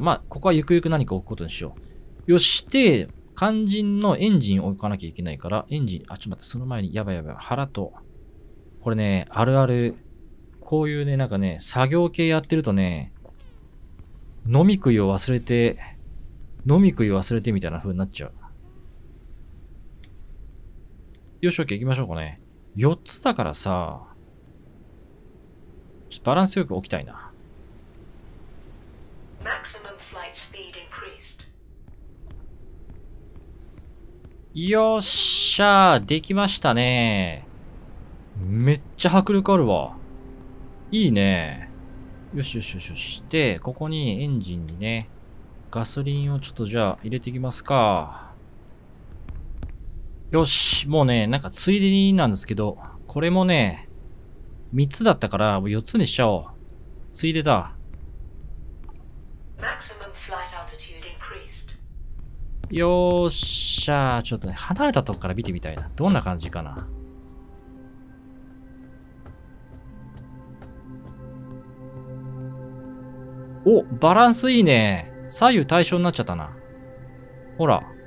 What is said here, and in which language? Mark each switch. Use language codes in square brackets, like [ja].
[ja] まあ、ここはゆくゆく何か置くことにしよう。よし、で、肝心のエンジン置かなきゃいけないから、エンジン、あ、ちょっと待って、その前に、やばいやばい、腹と、これね、あるある、こういうね、なんかね、作業系やってるとね、飲み食いを忘れて、飲み食いを忘れてみたいな風になっちゃう。よし、OK、行きましょうかね。4つだからさ、ちょっとバランスよく置きたいな。 [en] Maximum flight speed increased. [ja] よっしゃー、できましたね。めっちゃ迫力あるわ。いいね。よしよしよしよし。で、ここにエンジンにね、ガソリンをちょっとじゃあ入れていきますか。よし。もうね、なんかついでになんですけど、これもね、3つだったから、もう4つにしちゃおう。ついでだ。 [en] Maximum flight altitude increased. [ja] よーっしゃー。ちょっとね、離れたとこから見てみたいな。どんな感じかな。お、バランスいいね。左右対称になっちゃったな。ほら。